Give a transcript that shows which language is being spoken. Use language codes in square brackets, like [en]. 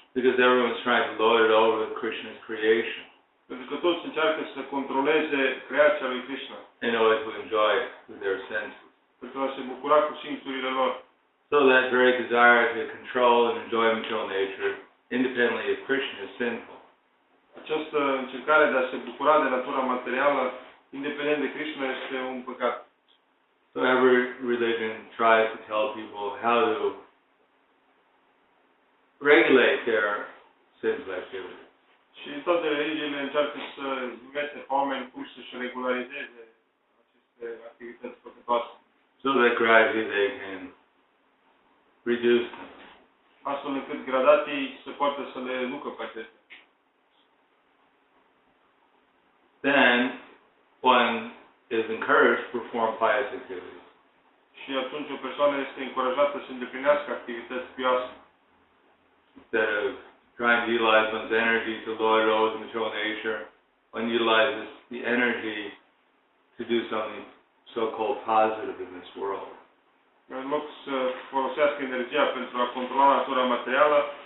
[en] Because everyone's trying to lord it over with Krishna's creation. [ro] Pentru că toți încearcă să controleze creația lui Krishna. [en] In order to enjoy it with their senses. [ro] Pentru a se bucura cu simțurile lor. [en] So that very desire to control and enjoy material nature, independently of Krishna, is sinful. [ro] Această încercare de a se bucura de natura materială, independent de Krishna, este un păcat. [en] So every religion tries to tell people how to regulate their sinful activity. [ro] Și toate religiile încearcă să învețe pe oameni cum să-și regulareze aceste activități păcătoase. [en] So that gradually they can reduce them. [ro] Astfel încât gradații se poate să le reducă pe acestea. [en] Then, one is encouraged to perform pious activities. [ro] Și atunci o persoană este încurajată să îndeplinească activități pioase. [en] Instead of trying to utilize one's energy to lord over the material nature, one utilizes the energy to do something so-called positive in this world. [ro] Mulți folosesc energia pentru a controla natura materială.